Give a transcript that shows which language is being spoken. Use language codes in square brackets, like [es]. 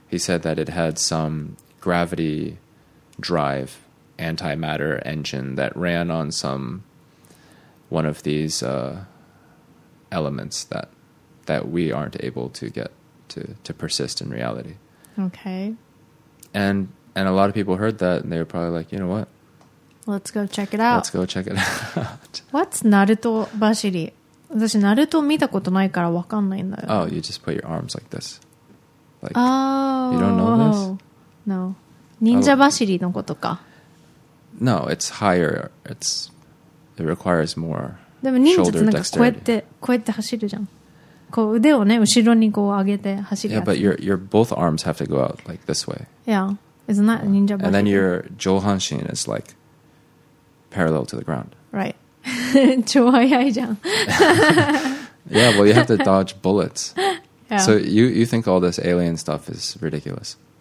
[en] He said that it had some gravity drive, antimatter engine that ran on some one of these elements that we aren't able to get to persist in reality. Okay. And a lot of people heard that and they were probably like, you know what? Let's go check it out. Let's go check it out. What's Naruto Bashiri? [ja] 私ナルト見たことないから分かんないんだよ。 [en] Oh, you just put your arms like this. Like, oh, you don't know this? [ja] No. 忍者走りのことか。 [en] No, it's higher. It requires more. [ja] でも忍者ってなんかこうやって走るじゃん。こう腕をね後ろにこう上げて走るやつ。 [en] Yeah, but your both arms have to go out like this way. Yeah, isn't that 忍者走り? And then your 上半身 is like parallel to the ground. [ja] Right. 超速いじゃん。 [en] Yeah, well, you have to dodge bullets. Yeah. So you think all this alien stuff is ridiculous?